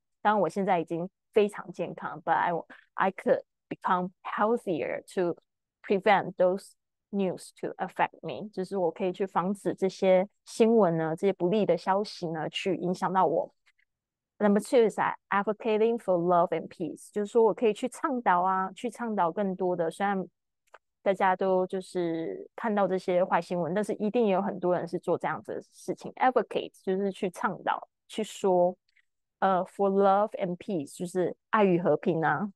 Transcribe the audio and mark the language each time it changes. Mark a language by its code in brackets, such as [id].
[zh] 当然，我现在已经非常健康， [en] but I could become healthier to prevent those news to affect me。 [zh] 就是我可以去防止这些新闻呢，这些不利的消息呢，去影响到我。 [en] Number two is that advocating for love and peace。 [zh] 就是说我可以去倡导啊，去倡导更多的。虽然大家都就是看到这些坏新闻，但是一定也有很多人是做这样子的事情。 Advocate 就是去倡导，去说。 [en] For love and peace， [zh] 就是爱与和平啊。